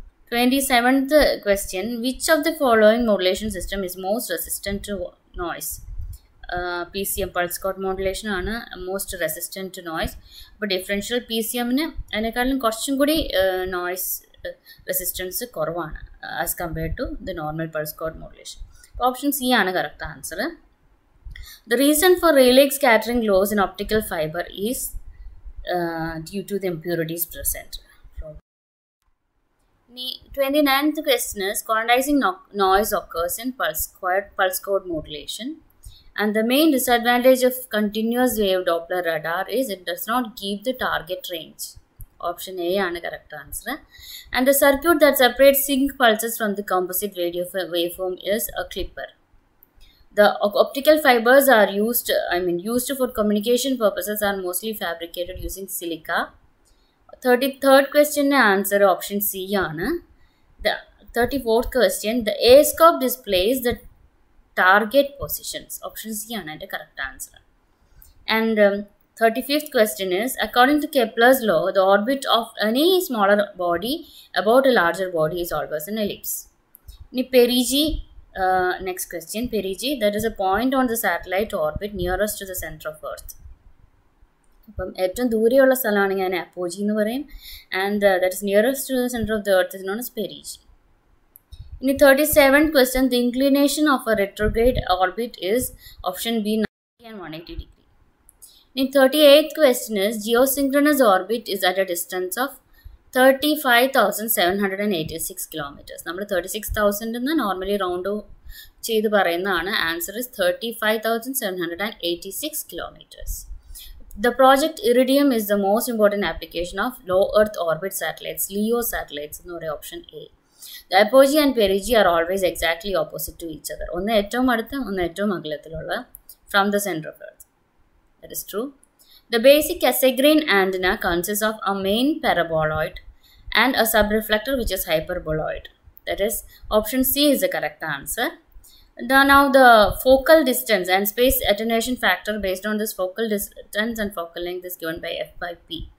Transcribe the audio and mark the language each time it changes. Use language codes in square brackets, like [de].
[en] 27th question, which of the following modulation system is most resistant to noise? PCM, pulse code modulation, ആണ് most resistant to noise. അപ്പോൾ differential PCM ന് [ml] അതിനേക്കാളും കുറച്ചും കൂടി [en] noise resistance [ml] കുറവാണ് [en] as compared to the normal pulse code modulation. [ml] Option C ആണ് correct answer. [en] The reason for Rayleigh scattering loss in optical fibre is due to the impurities present. ഇനി 29th question is quantising noise occurs in pulse code modulation and the main disadvantage of continuous wave Doppler radar is it does not give the target range. [ml] Option A ആണ് correct answer. [en] And the circuit that separate sync pulses from the composite radio wave form is a clipper. The optical fibres are used I mean used for communication purposes are mostly fabricated using silica. [ml] 33rd ക്വസ്റ്റ്യൻ്റെ answer option C ആണ്. [en] The 34th question, the A scope displays the target positions. [ml] Option C ആണ് എൻ്റെ correct answer. [en] And 35th question is, according to Kepler's law, the orbit of any smaller body about a larger body is always an ellipse. Ni perigee, next question, perigee, that is a point on the satellite orbit nearest to the center of Earth. [ml] Appo ethum dooriyulla sthalana ngane apogee nu parayam, [en] and that is nearest to the center of the Earth is known as perigee. In the 37th question, the inclination of a retrograde orbit is option B, 90 and 180 degrees. The 38th question is, geosynchronous orbit is at a distance of 35,786 kilometers. [ml] നമ്മൾ 36,000 എന്ന് normally round ചെയ്ത് പറയുന്നതാണ്. [en] Answer is 35,786 kilometers. The project Iridium is the most important application of low earth orbit satellites, LEO satellites [ml] എന്ന് പറയുന്ന [en] Option A. The apogee and perigee are always exactly opposite to each other. [ml] ഒന്ന് ഏറ്റവും അടുത്ത് ഒന്ന് ഏറ്റവും അകലത്തിലുള്ള [en] from the center of earth. That is true. The basic Cassegrain antenna consists of a main paraboloid and a subreflector which is hyperboloid. That is, option C is the correct answer. Now the focal distance and space attenuation factor based on this focal distance and focal length is given by F by P.